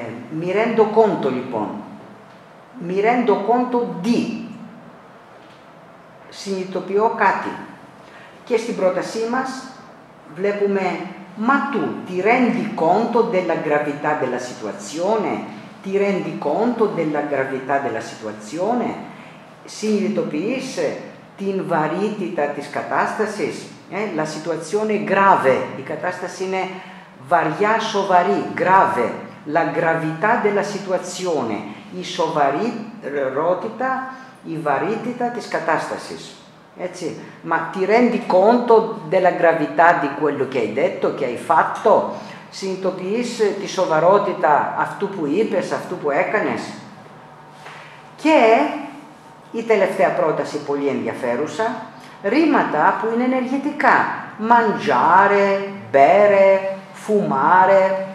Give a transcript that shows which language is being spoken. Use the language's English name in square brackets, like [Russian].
[Italian] Mi rendo conto, λοιπόν. Mi rendo conto di. [Greek] Συνειδητοποιώ κάτι. Και στην πρότασή μας βλέπουμε, μα [Italian] tu ti rendi conto della gravità della situazione? Ti rendi conto della gravità della situazione? [Greek] Συνειδητοποιείς την βαρύτητα της κατάστασης. [Italian] La situazione grave, [Greek] η κατάσταση είναι βαριά, σοβαρή, grave. [Italian] La gravità della situazione, [Greek] η σοβαρότητα, η βαρύτητα της κατάστασης. Έτσι, μα [Italian] ti rendi conto della gravità di quello che hai detto, che hai fatto? [Greek] Συνειδητοποιείς τη σοβαρότητα αυτού που είπες, αυτού που έκανες? Και η τελευταία πρόταση, πολύ ενδιαφέρουσα, ρήματα που είναι ενεργητικά. [Italian] Mangiare, bere, fumare.